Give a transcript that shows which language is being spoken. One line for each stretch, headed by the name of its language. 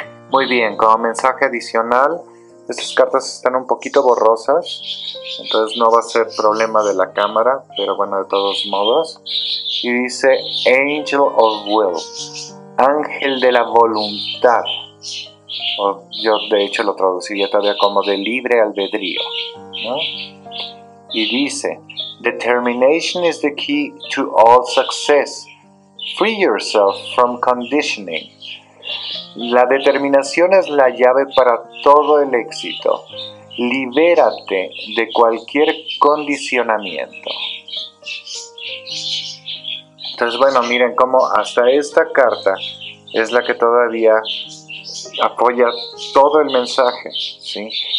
Spanish: Muy bien, como mensaje adicional, estas cartas están un poquito borrosas, entonces no va a ser problema de la cámara, pero bueno, de todos modos. Y dice,
English: Angel of Will,
Spanish: ángel de la voluntad. O yo de hecho lo traduciría todavía como de libre albedrío, ¿no? Y dice,
English: determination is the key to all success. Free yourself from conditioning.
Spanish: La determinación es la llave para todo el éxito. Libérate de cualquier condicionamiento. Entonces, bueno, miren cómo hasta esta carta es la que todavía apoya todo el mensaje, ¿sí?